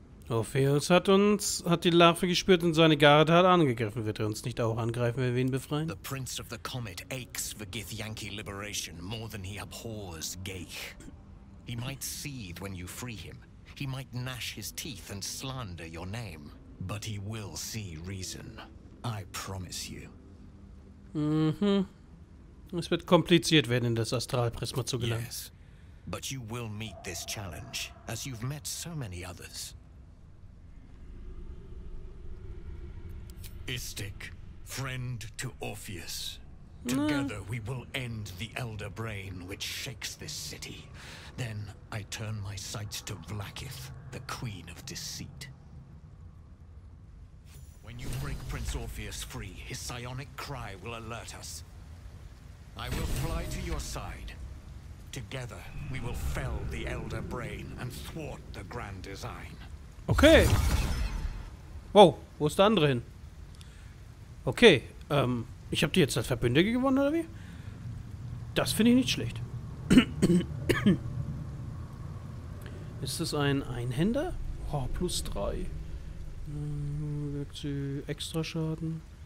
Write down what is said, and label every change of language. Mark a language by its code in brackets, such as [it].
[de] Orpheus hat uns, hat die Larve gespürt und seine Garde hat angegriffen. Wird er uns nicht auch angreifen, wenn wir ihn befreien? [en] The Prince of the Comet aches for Githyanki liberation more than he abhors Geich. He might seethe when you free him. He might gnash his teeth and slander your name. But he will see reason. I promise you. Mhm. [de] Es wird kompliziert werden, in das Astralprisma zu gelangen. [en] Yes. But you will meet this challenge, as you've met so many others. Istik, friend to Orpheus. Together we will end the Elder Brain which shakes this city. Then I turn my sights to Vlakith, the Queen of Deceit. When you break Prince Orpheus free, his psionic cry will alert us. I will fly to your side. Together we will fell the Elder Brain and thwart the Grand Design. Okay. [de] Wow, wo ist der andere hin? Okay, ich habe die jetzt als Verbündete gewonnen, oder wie? Das finde ich nicht schlecht. Ist das ein Einhänder? Oh, plus 3. Wirkt sie extra Schaden?